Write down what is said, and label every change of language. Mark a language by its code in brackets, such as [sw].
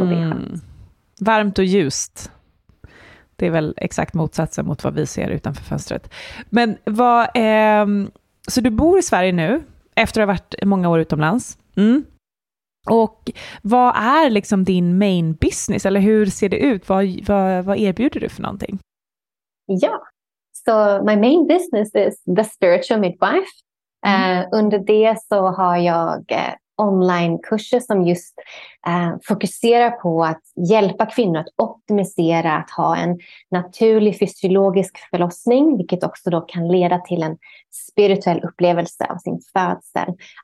[sv] Och det är varmt och ljust. Det är väl exakt motsatsen mot vad vi ser utanför fönstret. Men vad, så du bor i Sverige nu efter att ha varit många år utomlands. Mm. Och vad är liksom din main business, eller hur ser det ut? Vad erbjuder du för någonting? Ja, så [en] my main business is the spiritual midwife. [sv] Under det så har jag online-kurser som just fokuserar på att hjälpa kvinnor att optimisera att ha en naturlig fysiologisk förlossning, vilket också då kan leda till en spirituell upplevelse av sin födsel.